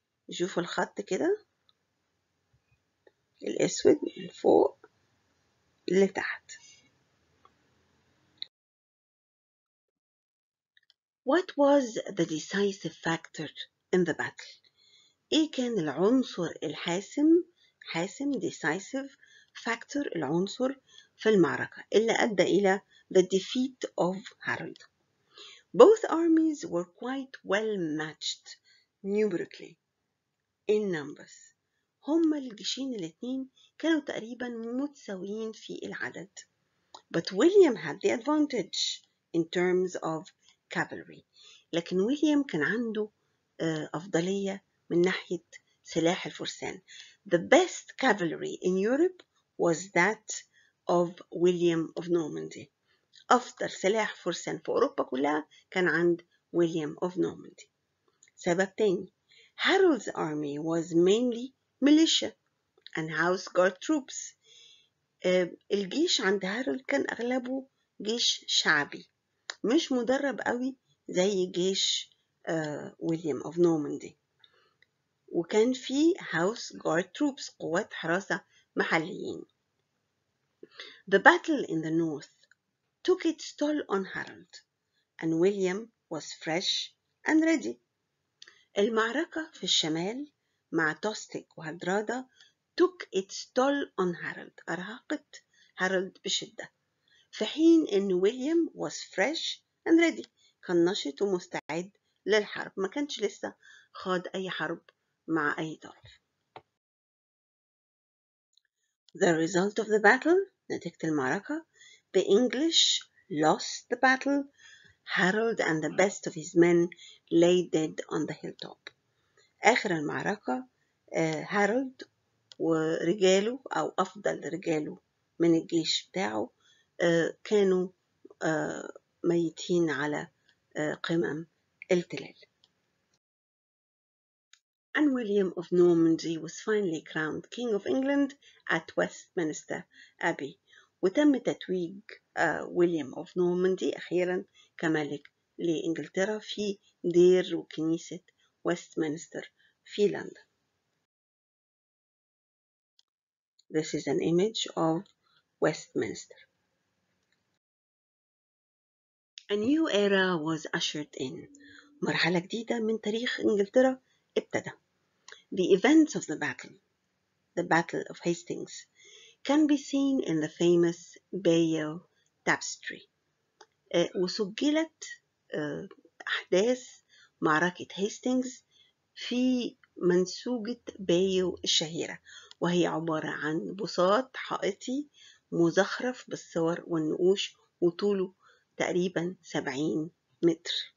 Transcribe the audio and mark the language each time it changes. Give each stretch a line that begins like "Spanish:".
Arabic: شوفوا الخط كده الأسود من فوق لتحت.
English: What was the decisive factor in the battle?
Arabic: إيه كان العنصر الحاسم حاسم
English: decisive factor
Arabic: العنصر في المعركة اللي أدى إلى
English: the defeat of Harold. Both armies were quite well matched numerically in numbers.
Arabic: هما الجيشين الاثنين كانوا تقريبا متساويين في العدد.
English: But William had the advantage in terms of cavalry.
Arabic: لكن William كان عنده أفضلية من ناحية سلاح الفرسان.
English: The best cavalry in Europe was that of William of Normandy.
Arabic: أفضل سلاح فرسان في أوروبا كلها كان عند William of Normandy. سبب تاني.
English: Harold's army was mainly militia and house guard troops.
Arabic: الجيش عند هارولد كان أغلبه جيش شعبي. مش مدرب قوي زي جيش William of Normandy. وكان في
English: house guard troops
Arabic: قوات حراسة محليين.
English: The battle in the north took its toll on Harold and William was fresh and ready.
Arabic: المعركة في الشمال مع توستيك وهدرادة
English: took its toll on Harold
Arabic: أرهقت هارولد بشدة في حين أن William
English: was fresh and ready
Arabic: كان نشط ومستعد للحرب ما كانش لسه خاض أي حرب مع أي طرف.
English: The result of the battle
Arabic: نتيجة المعركة
English: The English lost the battle Harold and the best of his men lay dead on the hilltop
Arabic: آخر المعركة هارولد ورجاله أو أفضل رجاله من الجيش بتاعه كانوا ميتين على قمم التلال.
English: And William of Normandy was finally crowned King of England at Westminster Abbey.
Arabic: وتم تتويج William of Normandy أخيرا كملك لإنجلترا في دير وكنيسة Westminster في لندن.
English: This is an image of Westminster. A new era was ushered in.
Arabic: مرحلة جديدة من تاريخ إنجلترا ابتدى.
English: The events of the Battle of Hastings, can be seen in the famous Bayeux Tapestry.
Arabic: وسجلت أحداث معركة هيستينجز في منسوجة بايو الشهيرة، وهي عبارة عن بساط حائطي مزخرف بالصور والنقوش وطوله تقريباً 70 متر.